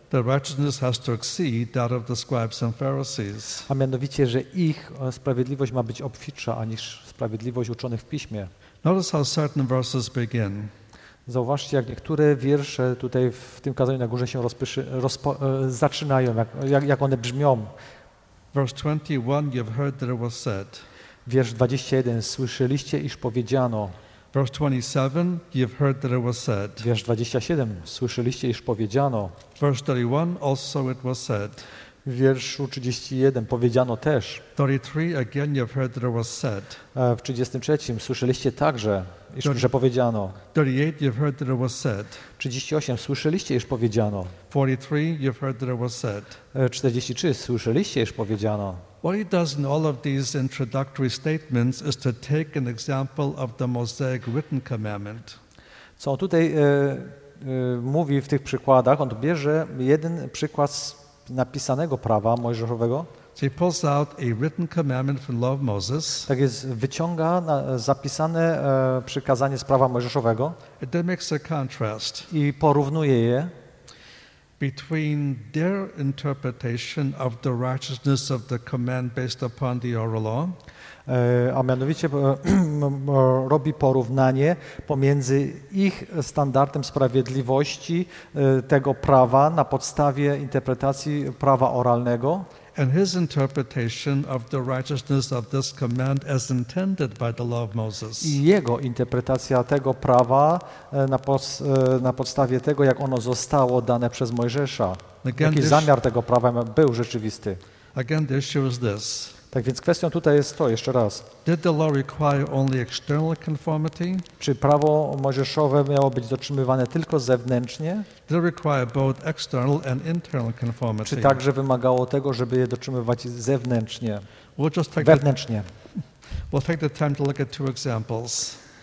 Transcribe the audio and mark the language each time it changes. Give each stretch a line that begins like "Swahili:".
English: The righteousness has to exceed that of the scribes and Pharisees.
Polish: A mianowicie, że ich sprawiedliwość ma być obfitsza aniż sprawiedliwość uczonych w piśmie.
English: Notice how certain verses begin.
Polish: Zauważcie, jak niektóre wiersze tutaj w tym kazaniu na górze się zaczynają, jak one brzmią.
English: Verse 21, you've heard that it was said.
Polish: Wiersz 21, słyszeliście, iż powiedziano.
English: Verse 27, you've heard that it was said.
Polish: Wiersz 27, słyszeliście, iż powiedziano.
English: Verse 31, also it was said.
Polish: W wierszu 31 powiedziano też.
English: 33, again you've heard that it was said.
Polish: W 33 słyszeliście także, iż, że powiedziano.
English: 38, you've heard that it was said.
Polish: 38 słyszeliście, iż powiedziano.
English: 43, you've heard that it was said.
Polish: 43 słyszeliście, iż powiedziano.
English: What he does in all of these introductory statements is to take an example of the Mosaic written commandment.
Polish: Co tutaj mówi w tych przykładach, on bierze jeden przykład z napisanego prawa mojżeszowego.
English: So he pulls out a written commandment from law of Moses.
Polish: Tak jest, wyciąga zapisane przykazanie z prawa mojżeszowego.
English: It makes a contrast.
Polish: I porównuje je
English: between their interpretation of the righteousness of the command based upon the oral law.
Polish: A mianowicie robi porównanie pomiędzy ich standardem sprawiedliwości tego prawa na podstawie interpretacji prawa oralnego. And his interpretation of the righteousness of this command as intended by the law of Moses. I jego interpretacja tego prawa na podstawie tego, jak ono zostało dane przez Mojżesza. Again, jaki zamiar tego prawa był rzeczywisty.
English: Again, the issue is this.
Polish: Tak więc kwestią tutaj jest to, jeszcze raz.
English: Did the law require only external conformity?
Polish: Czy prawo mojżeszowe miało być dotrzymywane tylko zewnętrznie?
English: Did it require both external and internal conformity?
Polish: Czy także wymagało tego, żeby je dotrzymywać zewnętrznie, wewnętrznie?
English: We'll take the time to look at two examples.